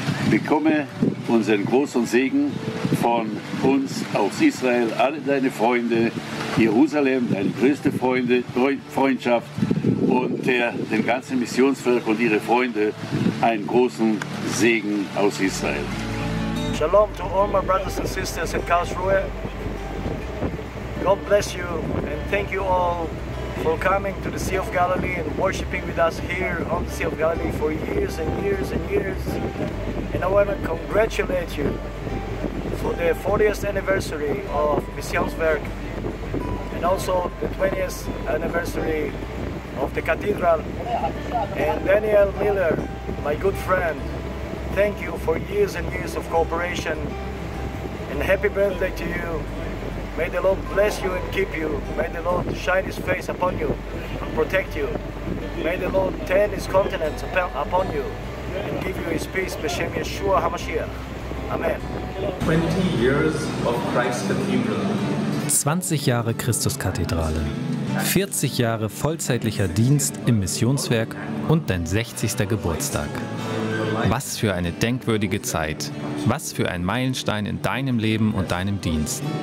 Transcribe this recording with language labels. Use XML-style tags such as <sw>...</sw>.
<de>Bekomme unseren großen Segen von uns aus Israel, alle deine Freunde, Jerusalem, deine größte Freunde, Freundschaft, und den ganzen Missionsvolk und ihre Freunde einen großen Segen aus Israel.</de> <en>Shalom to all my brothers and sisters in Karlsruhe. God bless you and thank you all for coming to the Sea of Galilee and worshiping with us here on the Sea of Galilee for years and years and years. And I want to congratulate you for the 40th anniversary of Missionsvolk and also the 20th anniversary of the cathedral. And Daniel Miller, my good friend, thank you for years and years of cooperation, and happy birthday to you. May the Lord bless you and keep you. May the Lord shine his face upon you and protect you. May the Lord turn his countenance upon you and give you his peace,</en> <he>b'shem Yeshua HaMashiach.</he> <en>Amen. 20 years of Christ Cathedral.</en> <de>20 Jahre Christuskathedrale, 40 Jahre vollzeitlicher Dienst im Missionswerk und dein 60. Geburtstag. Was für eine denkwürdige Zeit, was für ein Meilenstein in deinem Leben und deinem Dienst.</de>